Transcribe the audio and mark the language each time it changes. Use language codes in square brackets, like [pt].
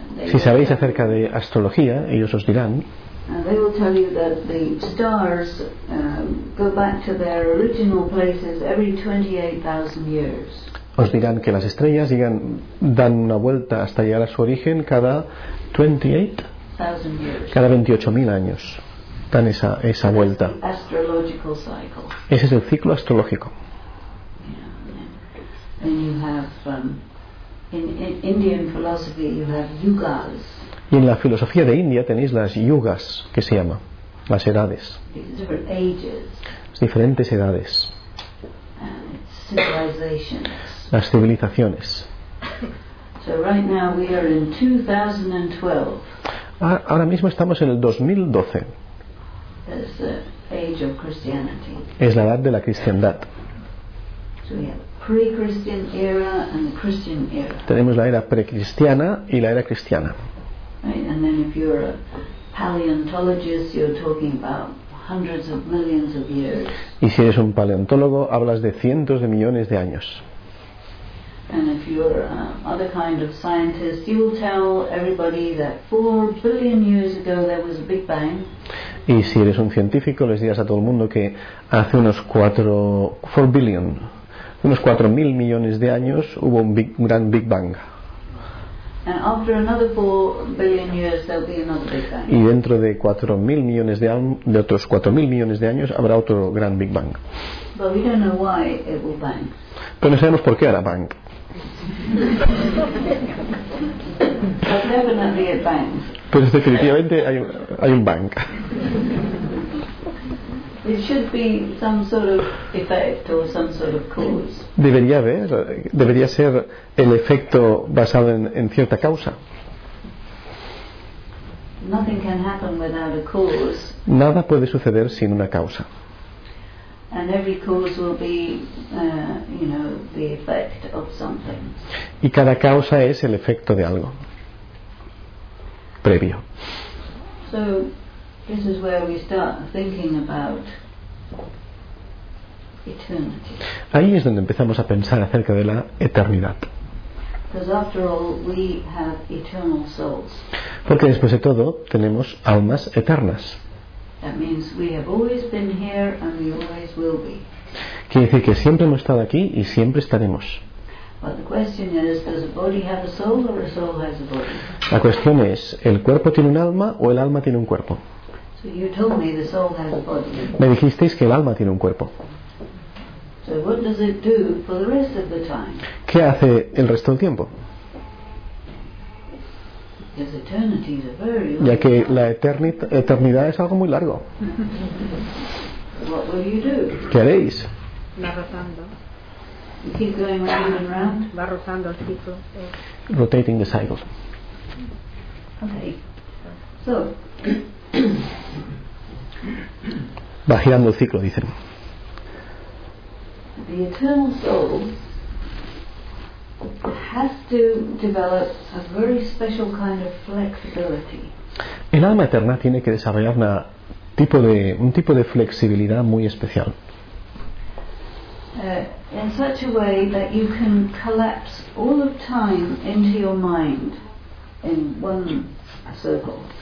[es] si sabéis acerca de astrología, ellos os dirán. [en] They will tell you that the stars go back to their original places every 28,000 years. [es] Os dirán que las estrellas llegan, dan una vuelta hasta llegar a su origen cada 28,000 [en] years. [es] Cada 28,000 años dan esa vuelta. [en] Astrological cycle. [es] Ese es el ciclo astrológico. [en] And you have in Indian philosophy you have yugas. [es] Y en la filosofía de India tenéis las yugas, que se llama, las edades. [en] Different ages. [es] Las diferentes edades. [en] Civilizations. [es] Las civilizaciones. [en] So right now we are in 2012. [es] Ahora mismo estamos en el 2012. [en] That's the age of Christianity. [es] Es la edad de la cristiandad. [en] So we have pre-Christian era and the Christian era. [es] Tenemos la era precristiana y la era cristiana. [en] Right, and then if you're a paleontologist, you're talking about hundreds of millions of years. [es] Y si eres un paleontólogo, hablas de cientos de millones de años. [en] And if you're other kind of scientist, you'll tell everybody that 4 billion years ago there was a big bang. [es] Y si eres un científico, les dirás a todo el mundo que hace unos 4 [en] billion. [es] Unos 4,000 millones de años hubo un gran Big Bang. [en] And after another 4 billion years, there'll be another Big Bang. [es] Y dentro de 4,000 millones de otros 4,000 millones de años habrá otro gran Big Bang. [en] But we don't know why it will bang. [es] Pero no sabemos por qué hará bang. [en] But definitely it bangs. [es] Pues definitivamente hay un bang. [en] It should be some sort of effect or some sort of cause. [es] Debería ser el efecto basado en cierta causa. [en] Nothing can happen without a cause. [es] Nada puede suceder sin una causa. [en] And every cause will be, you know, the effect of something. [es] Y cada causa es el efecto de algo previo. [en] So this is where we start thinking about eternity. [es] Ahí es donde empezamos a pensar acerca de la eternidad. [en] Because after all, we have eternal souls. [es] Porque después de todo tenemos almas eternas. [en] That means we have always been here and we always will be. [es] Quiere decir que siempre hemos estado aquí y siempre estaremos. [en] But the question is, does a body have a soul or a soul has a body? [es] La cuestión es, ¿el cuerpo tiene un alma o el alma tiene un cuerpo? [en] You told me the soul has a body. [es] Me dijisteis que el alma tiene un cuerpo. [en] So what does it do for the rest of the time? [es] ¿Qué hace el resto del tiempo? [en] Because eternity is a very long time. [es] Ya que la eternidad es algo muy largo. [en] What will you do? [es] ¿Qué haréis? Va rotando. [en] You keep going round and round. [es] Va rotando el ciclo. [en] Rotating the cycle. Okay. So. [es] Va girando el ciclo, dicen. [en] The eternal soul has to develop a very special kind of flexibility. [es] El alma eterna tiene que desarrollar un tipo de flexibilidad muy especial. [en] In such a way that you can collapse all of time into your mind in one circle.